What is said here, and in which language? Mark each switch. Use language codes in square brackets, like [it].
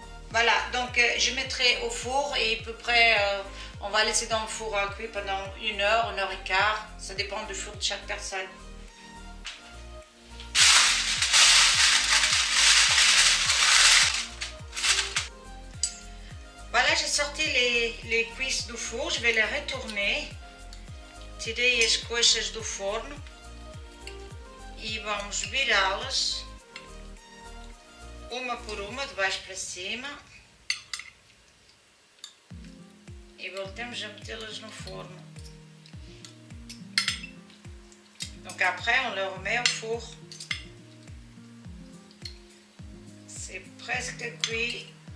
[fr] Voilà, donc je mettrai au four et à peu près on va laisser dans le four à cuire pendant une heure et quart, ça dépend du four de chaque personne. Voilà, j'ai sorti les cuisses du four, je vais les retourner. [pt] Tirei as coxas do forno e vamos virá-las uma por uma, de baixo para cima. E voltamos a metê-las no forno. [fr] Donc après on les remet au four. C'est presque cuit.